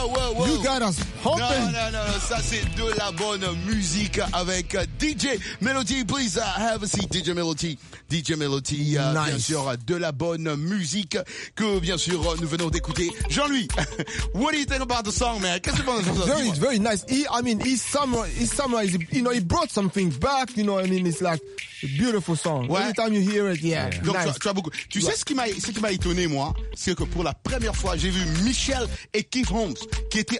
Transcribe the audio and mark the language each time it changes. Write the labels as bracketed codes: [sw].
[fr] No, ça c'est de la bonne musique avec DJ Melody. [en] Please have a seat, DJ Melody. DJ Melody, nice. [fr] Bien sûr, de la bonne musique que bien sûr nous venons d'écouter. [en] Jean-Louis, what do you think about the song, man? [fr] Qu'est-ce que tu penses de ça? [en] Very, very nice. He summarized, you know, he brought some things back, you know what I mean? It's like a beautiful song. Ouais. Every time you hear it, yeah. [fr] Donc, [en] nice. [fr] Tu as beaucoup. Tu sais ce qui m'a étonné, moi, c'est que pour la première fois, j'ai vu Michel et Keith Holmes qui étaient